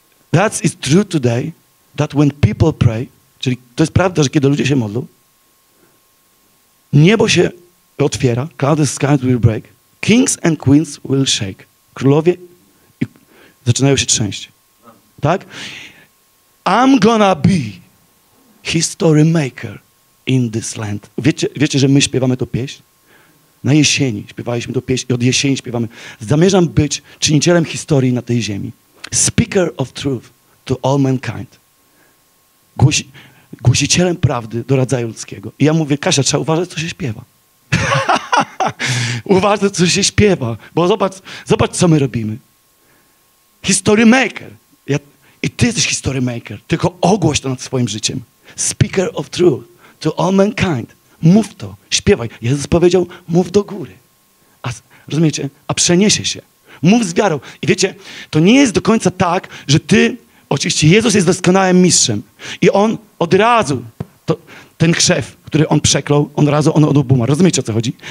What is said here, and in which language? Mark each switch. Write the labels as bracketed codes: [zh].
[en] That is true today, that when people pray, [pl] czyli to jest prawda, że kiedy ludzie się modlą, niebo się otwiera, [en] clouded skies will break, kings and queens will shake. [pl] Królowie zaczynają się trzęść. Tak? [en] I'm gonna be history maker in this land. [pl] Wiecie, że my śpiewamy tę pieśń? Na jesieni śpiewaliśmy tę pieśń i od jesieni śpiewamy. Zamierzam być czynicielem historii na tej ziemi. [en] Speaker of truth to all mankind. [pl] Głosicielem prawdy do rodzaju ludzkiego. I ja mówię, Kasia, trzeba uważać, co się śpiewa. Uważaj, co się śpiewa, bo zobacz, co my robimy. [en] History maker. [pl] I ty jesteś [en] history maker. [pl] Tylko ogłoś to nad swoim życiem. [en] Speaker of truth to all mankind. [pl] Mów to, śpiewaj. Jezus powiedział, mów do góry. A, rozumiecie? A przeniesie się. Mów z wiarą. I wiecie, to nie jest do końca tak, że ty, oczywiście Jezus jest doskonałym mistrzem i on od razu to, ten krzew, który on przeklął, on razu on odbuma. Rozumiecie, o co chodzi?